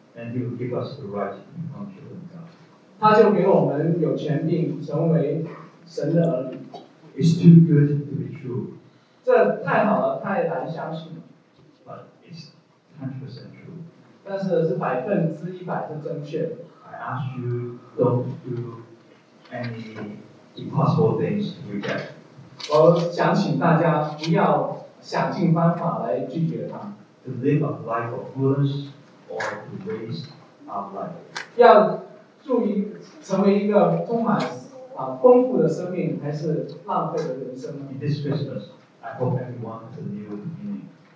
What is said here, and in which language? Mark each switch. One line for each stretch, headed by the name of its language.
English: And he will give us the right to become children.
Chinese: 他就给我们有权柄成为神的儿女。
English: It's too good to be true.
Chinese: 这太好了，太难相信了。
English: But it's 100% true.
Chinese: 但是是100%是正确的。
English: I ask you don't do any impossible things to reject.
Chinese: 我想请大家不要想尽方法来拒绝他。
English: To live a life of fullness or to waste our life.
Chinese: 要注意成为一个充满丰富的生命，还是浪费的人生呢
English: ？In this Christmas, I hope everyone has a new beginning.